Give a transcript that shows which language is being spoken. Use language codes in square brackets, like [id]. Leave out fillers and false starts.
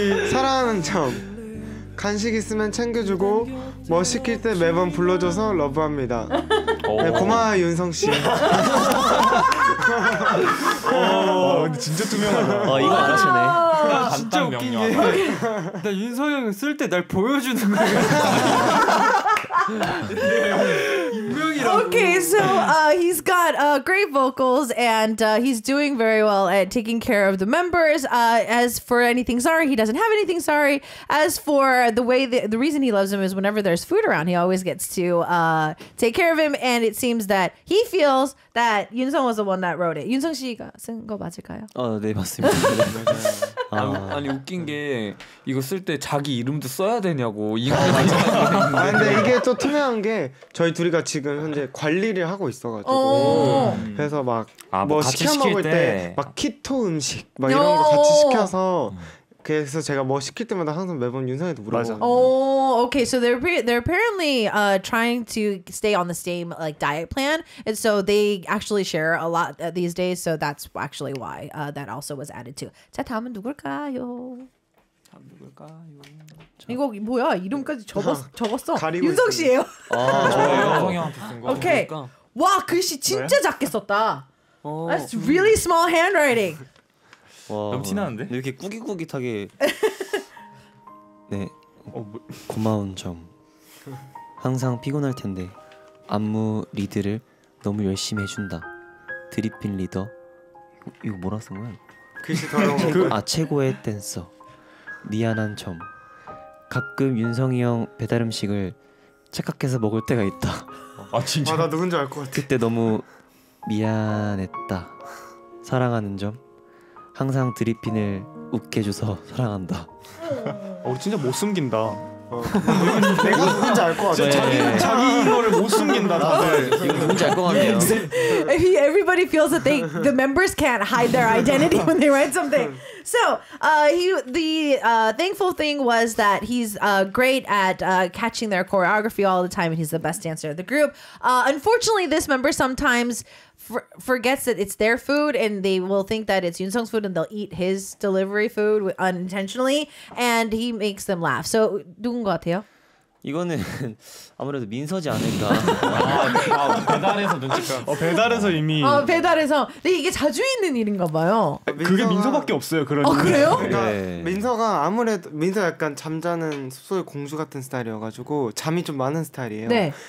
[ko] 사랑하는 점 간식 있으면 챙겨주고 뭐 시킬 때 매번 불러줘서 러브합니다. 네, 고마워 윤성 씨. 진짜 투명하다. 아 이거 알아채네. 진짜 웃긴 게 나 윤성 형 쓸 때 날 보여주는 거야. [en] Okay, so he's got great vocals and he's doing very well at taking care of the members. As for anything sorry, he doesn't have anything sorry. As for the way the reason he loves him is whenever there's food around, he always gets to take care of him. And it seems that he feels that Yoon Sung was the one that wrote it. [ko] Yoon Sung 씨가 쓴 거 맞을까요? 네 맞습니다. 아니 웃긴 게 이거 쓸 때 자기 이름도 써야 되냐고. 근데 이게 또 투명한 게 저희 둘이가 지금 현재 관리를 하고 있어가지고 그래서 막 뭐 시켜 먹을 때 막 키토 음식 막 이런 거 같이 시켜서 그래서 제가 뭐 시킬 때마다 항상 매번 윤상이도 물어봐요. [en] Okay, so they're apparently trying to stay on the same like diet plan, and so they actually share a lot these days. So that's actually why that also was added to. [ko] 자 다음은 누굴까요? 이거 뭐야 이름까지 적었어 윤성 씨예요. 오케이 와 글씨 진짜 왜? 작게 썼다. [en] That's really small handwriting. [ko] 와, 너무 티나는데 이렇게 꾸깃꾸깃하게 네 고마운 점 항상 피곤할 텐데 안무 리드를 너무 열심히 해준다 드리핀 리더 이거 뭐라 쓴 거야 글씨 더러운 거 아 최고의 댄서 미안한 점 가끔 윤성이 형 배달 음식을 착각해서 먹을 때가 있다. 아 진짜? 아 나 누군지 알 것 같아. 그때 너무 미안했다. 사랑하는 점 항상 드리핀을 웃게 해줘서 사랑한다. 진짜 못 숨긴다. 내가 누군지 알 것 같아. 네. 자기 이거를 못 숨긴다. 다들 이거 누군지 알 것 같네요. [en] Everybody feels that the members can't hide their identity when they write something. So thankful thing was that he's great at catching their choreography all the time, and he's the best dancer of the group. Unfortunately, this member sometimes forgets that it's their food, and they will think that it's Yoon-sung's food, and they'll eat his delivery food unintentionally, and he makes them laugh. So [ko] 누군 것 같아요? 이거는 아무래도 민서지 않을까. 배달에서 눈치가. 배달에서 이미. 아 배달에서. 근데 이게 자주 있는 일인가 봐요. 민서가... 그게 민서밖에 없어요. 그런. 아 그래요? 그러니까 네. 민서가 아무래도 민서 약간 잠자는 숲속의 공주 같은 스타일이어가지고 잠이 좀 많은 스타일이에요. 네.